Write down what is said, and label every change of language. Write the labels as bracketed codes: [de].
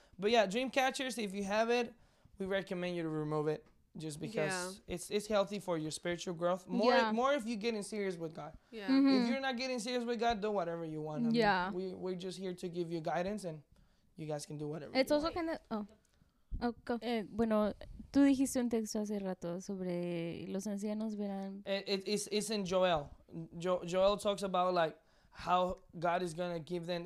[en] But yeah, dream catchers, if you have it, we recommend you to remove it. Just because it's healthy for your spiritual growth. More if you're getting serious with God. Yeah. Mm-hmm. If you're not getting serious with God, do whatever you want. Yeah. I mean, we're just here to give you guidance, and you guys can do whatever it's you also want. Kind of... Oh, go. [es] Bueno, tú dijiste un texto hace rato sobre los ancianos verán. [en] It's in Joel. Joel talks about like how God is gonna give them.